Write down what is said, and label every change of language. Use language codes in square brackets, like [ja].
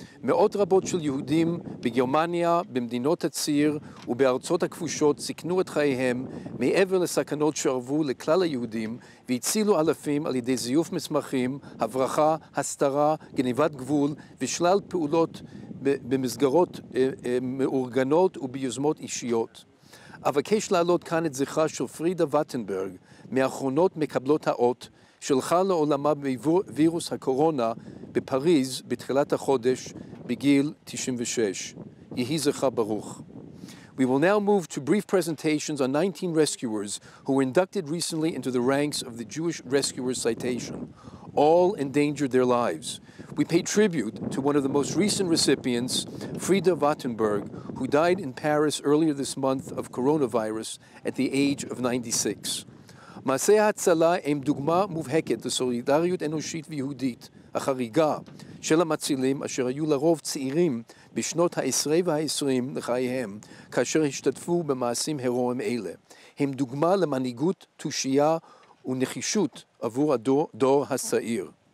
[he] מאות רבות של יהודים בגרמניה, במדינות הציר ובארצות הכבושות סיכנו את חייהם מעבר לסכנות שערבו לכלל היהודים והצילו אלפים על ידי זיוף מסמכים, הברחה, הסתרה, גניבת גבול ושלל פעולות במסגרות מאורגנות וביוזמות אישיות. אבקש להעלות כאן את זכרה של פרידה וטנברג, מאחרונות מקבלות האות, שלחה לעולמה בווירוס הקורונה בפריז בתחילת החודש בגיל 96. יהי זכרה ברוך. [en] We will now move to brief presentations on 19 rescuers who were inducted recently into the ranks of the Jewish Rescuers Citation. All endangered their lives. We pay tribute to one of the most recent recipients, Frieda Wattenberg, who died in Paris earlier this month of coronavirus at the age of 96. [he] מעשי ההצלה הם דוגמה מובהקת לסולידריות אנושית ויהודית, החריגה של המצילים אשר היו לרוב צעירים בשנות ה-10 וה-20 לחייהם, כאשר השתתפו במעשים הירואיים אלה. הם דוגמה למנהיגות, תושייה ונחישות עבור הדור הצעיר.